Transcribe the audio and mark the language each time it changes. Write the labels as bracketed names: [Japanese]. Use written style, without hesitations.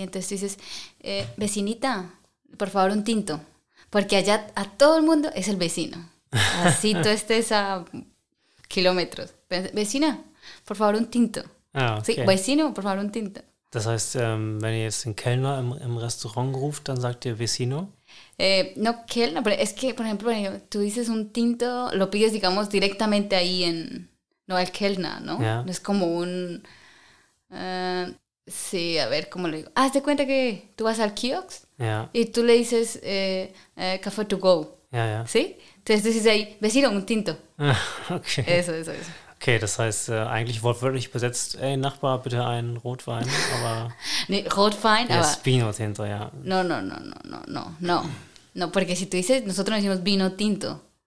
[Spanish] Entonces tú dices, vecinita, por favor, un tinto. Porque allá a todo el mundo es el vecino. Así tú estés a kilómetros. Vecina, por favor, un tinto. Ah, okay. Sí, vecino, por favor, un tinto. [German] Das heißt, wenn ihr jetzt den Kellner im Restaurant ruft, dann sagt ihr vecino? [Spanish] No, Kellner, pero es que, por ejemplo, tú dices un tinto, lo pides, digamos, directamente ahí en... No, al Kellner, ¿no? Yeah. No es como un... sí, a ver, ¿cómo le digo? Haz de cuenta que tú vas al kiosk. Yeah. Y tú le dices café to go. Ya, yeah, ya. Yeah. ¿Sí? Entonces tú dices ahí, vecino, un tinto. Okay. Eso. [German] Okay, das heißt eigentlich wortwörtlich besetzt, ey Nachbar, bitte einen Rotwein, aber... nee, Rotwein, ja, aber... [Spanish] Vino tinto, ja. No, porque si tú dices, nosotros decimos vino tinto.